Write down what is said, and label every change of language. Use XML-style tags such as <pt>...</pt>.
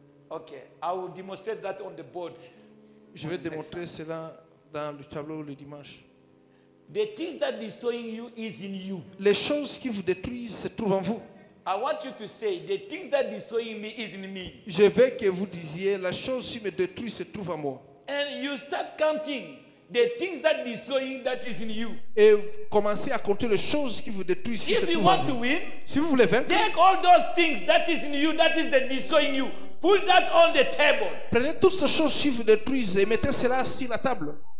<en>Okay, I will demonstrate that on the board.</en> <fr>Je vais démontrer cela dans le tableau le dimanche.</fr> <en>The things that destroying you is in you.</en> <fr>Les choses qui vous détruisent se trouvent en vous.</fr> <en>I want you to say the things that destroying me is in me.</en> <fr>Je veux que vous disiez la chose qui me détruit se trouve en moi.</fr> <en>And you start counting the things that destroying that is in you.</en> <fr>Et commencez à compter les choses qui vous détruisent.</fr> <en>If</en> <fr>se</fr> <en>you want to win,</en> <fr>si vous voulez vaincre,</fr> <en>take all those things that is in you that is the destroying you. Put that on the table.</en> <fr>Prenez toutes ces choses qui vous détruisent et mettez cela sur la table.</fr>